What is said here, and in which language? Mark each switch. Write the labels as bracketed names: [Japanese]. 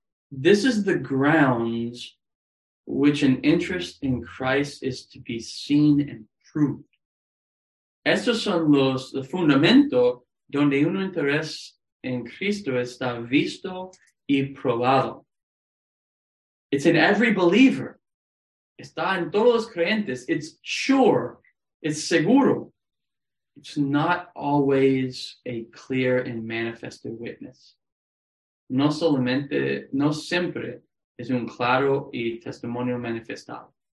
[English] this is the grounds which an interest in Christ is to be seen and proved. [Spanish] Estos son los fundamentos donde un interés en Cristo está visto y probado. [English] It's in every believer. [Spanish] Está en todos los creyentes. [English] It's sure. It's seguro. It's not always a clear and manifested witness. [Spanish] No siempre es un claro y testimonio manifestado.